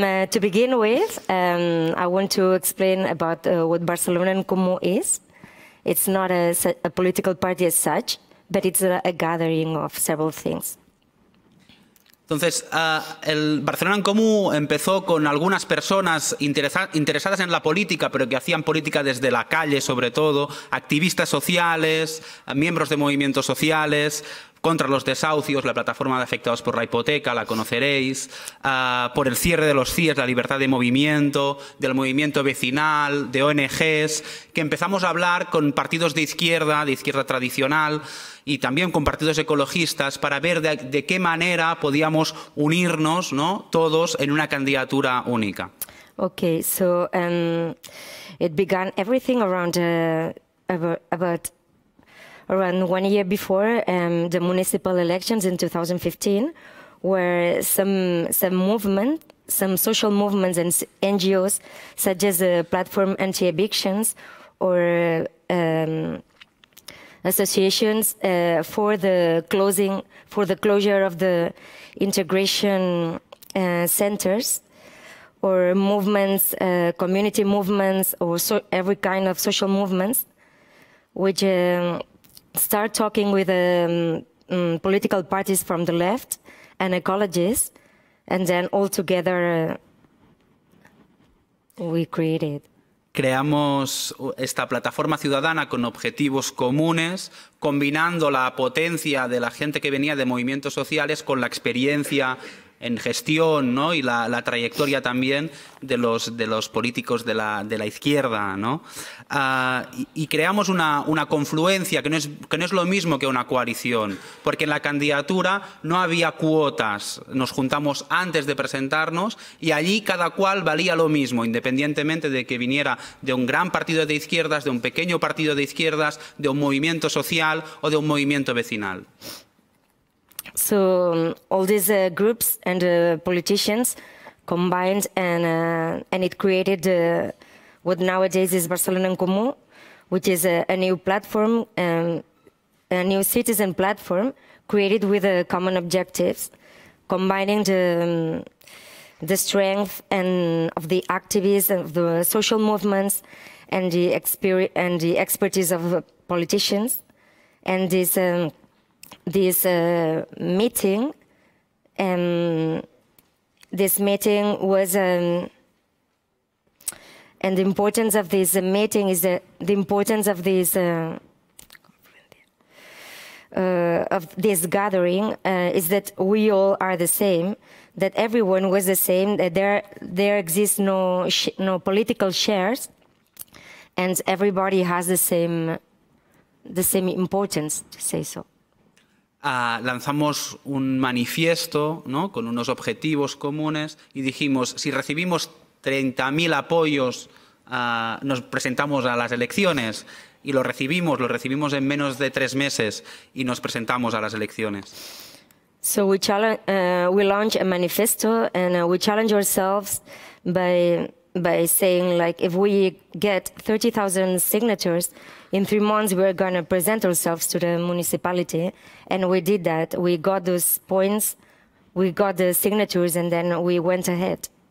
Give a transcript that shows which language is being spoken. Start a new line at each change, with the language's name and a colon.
English: To begin with, I want to explain about what Barcelona en Comú is. It's not a political party as such, but it's a gathering of several things.
Spanish: Entonces, el Barcelona en Comú empezó con algunas personas interesadas en la política, pero que hacían política desde la calle, sobre todo, activistas sociales, miembros de movimientos sociales, contra los desahucios, la plataforma de afectados por la hipoteca, la conoceréis, por el cierre de los CIEs, la libertad de movimiento, del movimiento vecinal, de ONGs, que empezamos a hablar con partidos de izquierda tradicional, y también con partidos ecologistas, para ver de qué manera podíamos unirnos, ¿no?, todos en una candidatura única.
English: Ok, so it began everything around 1 year before the municipal elections in 2015, where some social movements and NGOs, such as a platform anti-evictions or associations for the closure of the integration centers, or movements, community movements, or so every kind of social movements, which start talking with political parties from the left and ecologists, and then all together we created.
Spanish: Creamos esta plataforma ciudadana con objetivos comunes, combinando la potencia de la gente que venía de movimientos sociales con la experiencia en gestión, ¿no?, y la trayectoria también de los políticos de la izquierda, ¿no? Y creamos una confluencia que no es lo mismo que una coalición, porque en la candidatura no había cuotas. Nos juntamos antes de presentarnos y allí cada cual valía lo mismo, independientemente de que viniera de un gran partido de izquierdas, de un pequeño partido de izquierdas, de un movimiento social o de un movimiento vecinal.
English: So all these groups and politicians combined and it created what nowadays is Barcelona en Comú, which is a new platform, a new citizen platform created with common objectives, combining the strength and of the activists of the social movements and the expertise of politicians, and this meeting, and the importance of this meeting is the importance of this gathering is that we all are the same, that everyone was the same, that there exists no political shares, and everybody has the same importance, to say so.
Spanish: Lanzamos un manifiesto, ¿no?, con unos objetivos comunes y dijimos, si recibimos 30.000 apoyos, nos presentamos a las elecciones, y lo recibimos en menos de 3 meses y nos presentamos a las elecciones.
English: So we launch a manifesto and we challenge ourselves by saying, like, if we get 30,000 signatures in 3 months, we're going to present ourselves to the municipality. And we did that. We got those points, we got the signatures, and then we went ahead.